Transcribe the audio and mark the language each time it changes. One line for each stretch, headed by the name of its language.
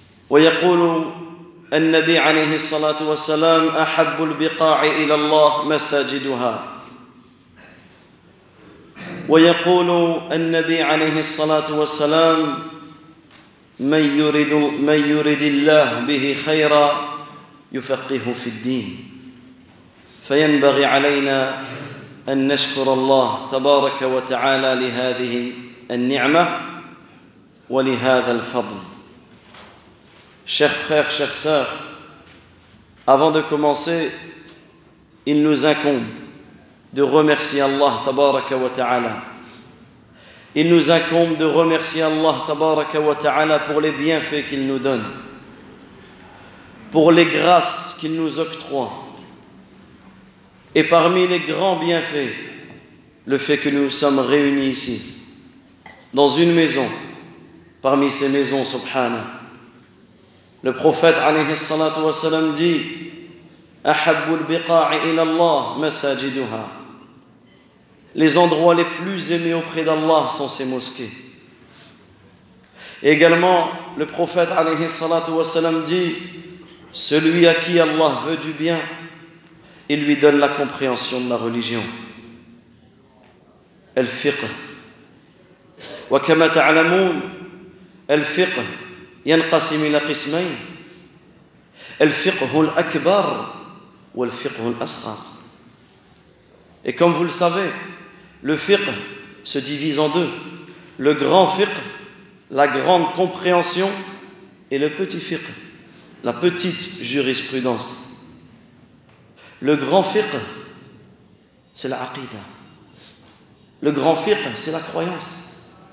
Arabic: ويقول النبي عليه الصلاة والسلام أحب البقاع إلى الله مساجدها ويقول النبي عليه الصلاة والسلام من يرد الله به خيرا يفقه في الدين فينبغي علينا أن نشكر الله تبارك وتعالى لهذه النعمة ولهذا الفضل
French: Chers frères, chères sœurs, avant de commencer, il nous incombe de remercier Allah tabaraka wa ta'ala. Il nous incombe de remercier Allah tabaraka wa ta'ala pour les bienfaits qu'il nous donne, pour les grâces qu'il nous octroie. Et parmi les grands bienfaits, le fait que nous sommes réunis ici, dans une maison, parmi ces maisons, subhanah. Le prophète alayhi salatu wa salam dit
Arabic: Ahabbul biqa'i ila Allah masajiduha.
French: Les endroits les plus aimés auprès d'Allah sont ces mosquées. Et également, le prophète alayhi salatu wa salam dit Celui à qui Allah veut du bien, il lui donne la compréhension de la religion.
Arabic: Al-fiqh. Wa kama ta'lamun, al-fiqh ينقسم إلى قسمين الفقه الأكبر والفقه الأصغر.
French: Et comme vous le savez, le fiqh se divise en deux. Le grand fiqh, la grande compréhension, et le petit fiqh, la petite jurisprudence. Le grand fiqh, c'est l'aqida. Le grand fiqh, c'est la croyance.